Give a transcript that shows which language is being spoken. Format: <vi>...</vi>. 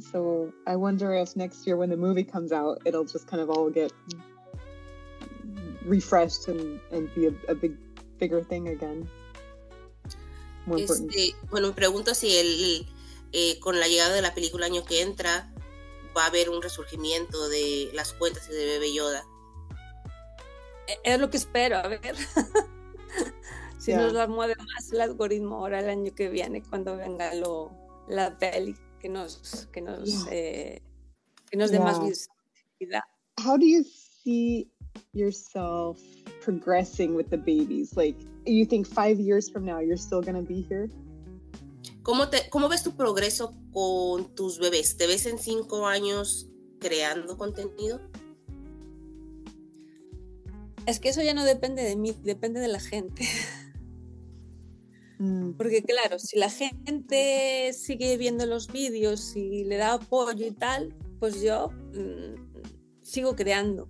<en>So I wonder if next year when the movie comes out, it'll just kind of all get refreshed and be a big, bigger thing again. More important.</en> <es>Bueno, me pregunto si con la llegada de la película año que entra va a haber un resurgimiento de las cuentas de Bebé Yoda. Es lo que espero, a ver. Si yeah. Nos las mueve más el algoritmo ahora el año que viene cuando venga lo... la peli que nos dé más visibilidad.</es> <en>How do you see yourself progressing with the babies? Like, you think 5 years from now you're still gonna be here?</en> <es>¿Cómo ves tu progreso con tus bebés? ¿Te ves en 5 años creando contenido? Es que eso ya no depende de mí, depende de la gente. Porque claro, si la gente sigue viendo los vídeos y le da apoyo y tal, pues yo sigo creando.</es>